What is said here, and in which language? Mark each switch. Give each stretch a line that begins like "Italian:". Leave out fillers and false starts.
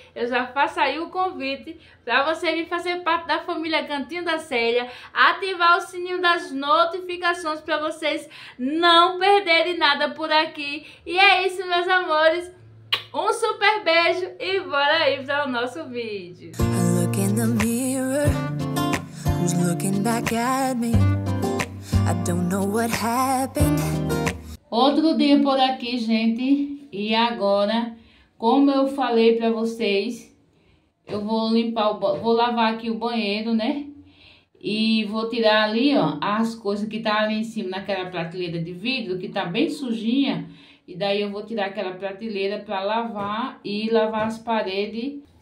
Portuguese: Eu já faço aí o convite para você vir fazer parte da família Cantinho da Célia. Ativar o sininho das notificações para vocês não perderem nada por aqui. E é isso, meus amores. Um super beijo e bora aí para o nosso vídeo.
English: I look in the mirror, who's looking back at me? I don't know what happened.
Portuguese: Outro dia por aqui, gente, e agora, como eu falei pra vocês, eu vou limpar, vou lavar aqui o banheiro, né, e vou tirar ali, ó, as coisas que tá ali em cima naquela prateleira de vidro, que tá bem sujinha, e daí eu vou tirar aquela prateleira pra lavar e lavar as paredes.